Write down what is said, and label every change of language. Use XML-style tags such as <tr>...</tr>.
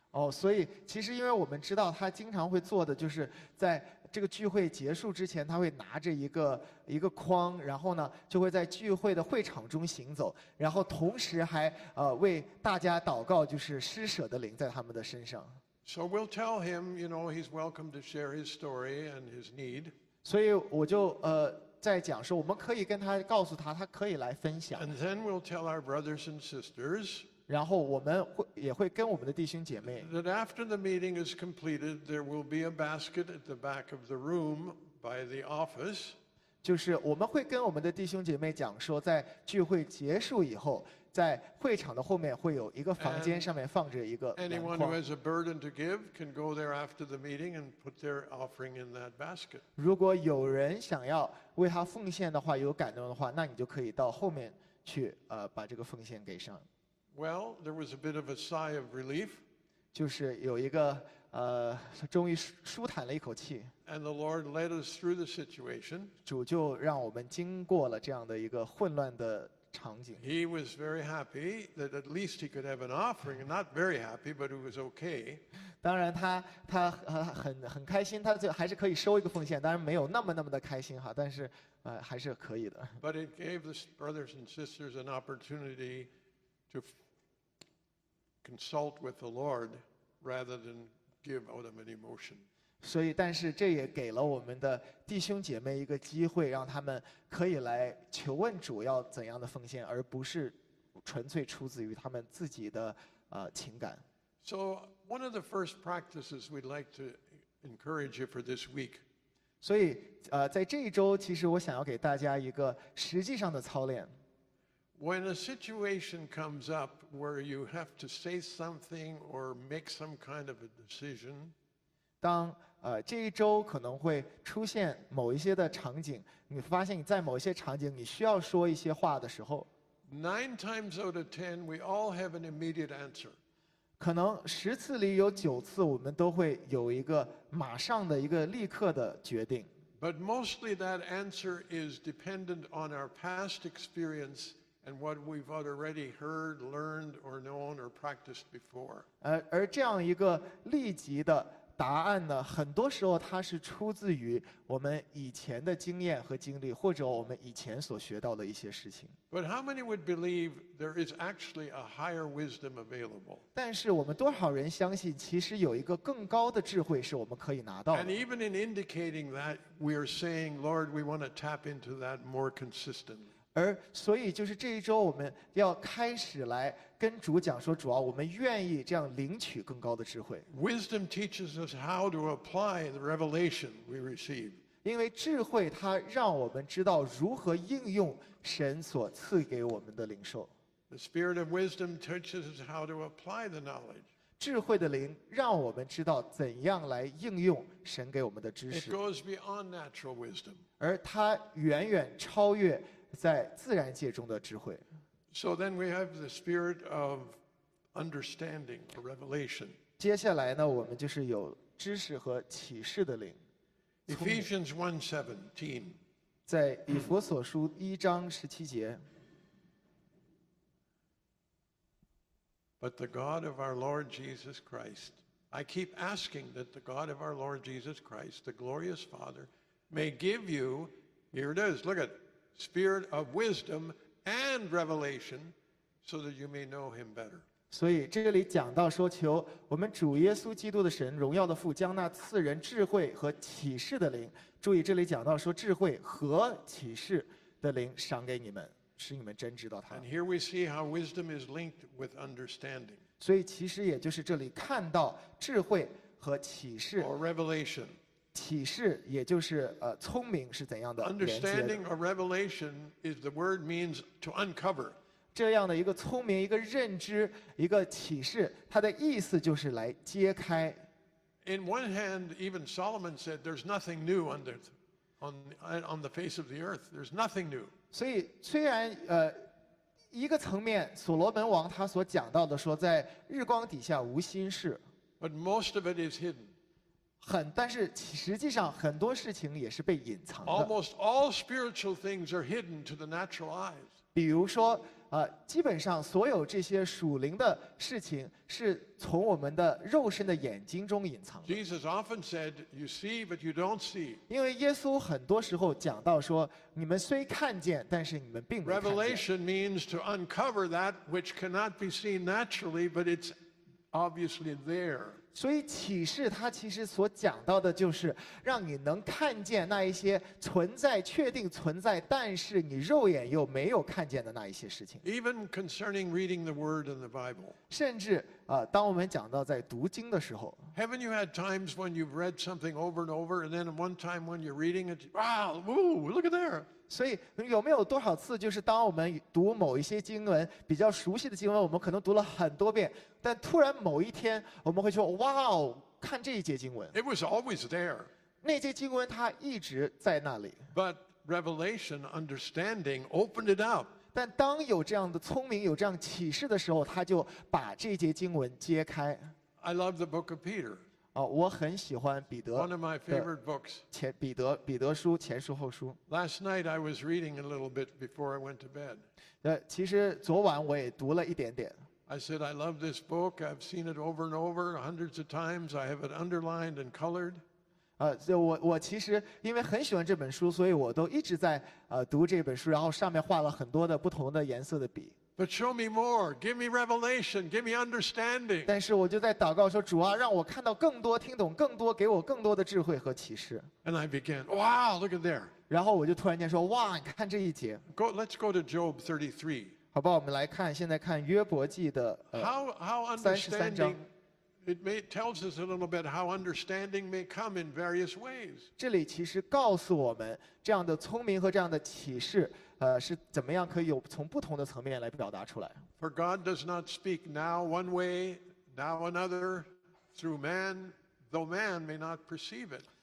<zh>所以其实因为我们知道他经常会做的就是在这个聚会结束之前他会拿着一个筐然后呢就会在聚会的会场中行走然后同时还为大家祷告就是施舍的灵在他们的身上</zh> <en>So we'll tell him you know he's welcome to share his story and his need</en> <zh>所以我就在讲说我们可以跟他告诉他他可以来分享</zh> <en>And then we'll tell our brothers and sisters</en> <zh>然后我们也会跟我们的弟兄姐妹</zh> <en>That after the meeting is completed there will be a basket at the back of the room by the office</en> <zh>就是我们会跟我们的弟兄姐妹讲说在聚会结束以后在会场的后面会有一个房间上面放着一个篮筐</zh> <en>Anyone who has a burden to give can go there after the meeting and put their offering in that basket</en> <zh>如果有人想要为他奉献的话有感动的话那你就可以到后面去把这个奉献给上</zh> <en>Well, there was a bit of a sigh of relief</en> <zh>就是有一个终于舒坦了一口气</zh> <en>And the Lord led us through the situation</en> <zh>主就让我们经过了这样的一个混乱的场景</zh> <en>He was very happy that at least he could have an offering not very happy but it was okay</en> <zh>当然他很开心他就还是可以收一个奉献当然没有那么的开心哈但是还是可以的</zh> <en>But it gave the brothers and sisters an opportunity to consult with the Lord rather than give out of an emotion</en> <zh>所以但是这也给了我们的弟兄姐妹一个机会让他们可以来求问主要怎样的奉献而不是纯粹出自于他们自己的情感</zh> <en>So one of the first practices we'd like to encourage you for this week</en> <zh>所以在这一周其实我想要给大家一个实际上的操练</zh> <en>When a situation comes up where you have to say something or make some kind of a decision</en> <zh>当这一周可能会出现某一些的场景你发现你在某一些场景你需要说一些话的时候</zh> <en>Nine times out of ten we all have an immediate answer</en> <zh>可能十次里有九次我们都会有一个马上的一个立刻的决定</zh> <en>But mostly that answer is dependent on our past experience and what we've already heard, learned, or known, or practiced before</en> <zh>而这样一个立即的答案呢很多时候它是出自于我们以前的经验和经历或者我们以前所学到的一些事情</zh> <en>But how many would believe there is actually a higher wisdom available</en> <zh>但是我们多少人相信其实有一个更高的智慧是我们可以拿到的</zh> <en>And even in indicating that we are saying Lord we want to tap into that more consistently</en> <zh>而所以就是这一周我们要开始来跟主讲说主啊我们愿意这样领取更高的智慧</zh> <en>Wisdom teaches us how to apply the revelation we receive</en> <zh>因为智慧它让我们知道如何应用神所赐给我们的灵受。</zh> <en>The spirit of wisdom teaches us how to apply the knowledge.</en> <zh>智慧的灵让我们知道怎样来应用神给我们的知识。</zh> <en>It goes beyond natural wisdom.</en> <zh>而它远远超越在自然界中的智慧。</zh> <en>So then we have the spirit of understanding, or revelation.</en> <zh>接下来呢，我们就是有知识和启示的灵。</zh> <en>Ephesians 1:17.</en> <zh>在以弗所书一章十七节。</zh> <en>But the God of our Lord Jesus Christ, I keep asking that the God of our Lord Jesus Christ, the glorious Father, may give you, here it is, look at it, spirit of wisdom and revelation so that you may know him better.</en> <zh>所以这里讲到说求我们主耶稣基督的神荣耀的父将那赐人智慧和启示的灵。注意这里讲到说智慧和启示的灵赏给你们。使你们真知道他。</zh> <en>And here we see how wisdom is linked with understanding.</en> <zh>所以其实也就是这里看到智慧和启示。</zh> <en>Or revelation.</en> <zh>启示也就是聪明是怎样的连接的。</zh> <en>Understanding or revelation is the word means to uncover.</en> <zh>这样的一个聪明，一个认知，一个启示，它的意思就是来揭开。</zh> <en>In one hand, even Solomon said, "There's nothing new under on the face of the earth. There's nothing new."</en> <zh>所以虽然一个层面所罗门王他所讲到的说在日光底下无新事</zh> <en>But most of it is hidden.</en> <zh>但是实际上很多事情也是被隐藏的。</zh> <en>Almost all spiritual things are hidden to the natural eyes.</en> <zh>比如说基本上所有这些属灵的事情是从我们的肉身的眼睛中隐藏的。</zh> <en>Jesus often said, "You see, but you don't see."</en> <zh>因为耶稣很多时候讲到说，你们虽看见，但是你们并没看见。</zh> <en>Revelation means to uncover that which cannot be seen naturally, but it's obviously there.</en> <zh>所以启示它其实所讲到的就是让你能看见那一些存在，确定存在，但是你肉眼又没有看见的那一些事情。</zh> <en>Even concerning reading the word in the Bible.</en> <zh>甚至当我们讲到在读经的时候</zh> <en>，Haven't you had times when you've read something over and over, and then one time when you're reading it, wow, woo, look at there.</en> <zh>所以有没有多少次，就是当我们读某一些经文，比较熟悉的经文，我们可能读了很多遍，但突然某一天，我们会说，哇哦，看这一节经文。</zh> <en>It was always there.</en> <zh>那节经文它一直在那里。</zh> <en>But revelation, understanding, opened it up.</en> <zh>但当有这样的聪明，有这样启示的时候，他就把这节经文揭开。</zh> <en>I love the book of Peter.</en> <zh>我很喜欢彼得。</zh> <en>One of my favorite books.</en> <zh>彼得书前书后书。</zh> <en>Last night I was reading a little bit before I went to bed.</en> <zh>其实昨晚我也读了一点点。</zh> <en>I said I love this book. I've seen it over and over, hundreds of times. I have it underlined and colored.</en> <zh>我其实因为很喜欢这本书，所以我都一直在读这本书，然后上面画了很多的不同的颜色的笔。</zh> <en>But show me more, give me revelation, give me understanding.</en> <zh>但是我就在祷告说，主啊，让我看到更多，听懂更多，给我更多的智慧和启示。</zh> <en>And I began, wow, look at there.</en> <zh>然后我就突然间说，哇，你看这一节。</zh> <en>Go, let's go to Job 33.</en> <zh>好吧，我们来看，现在看约伯记的33章。</zh> <en>It may tells us a little bit how understanding may come in various ways.</en> <zh>这里其实告诉我们这样的聪明和这样的启示，是怎么样可以有从不同的层面来表达出来。</zh> <en>For God does not speak now one way, now another, through man, though man may not perceive it.</en>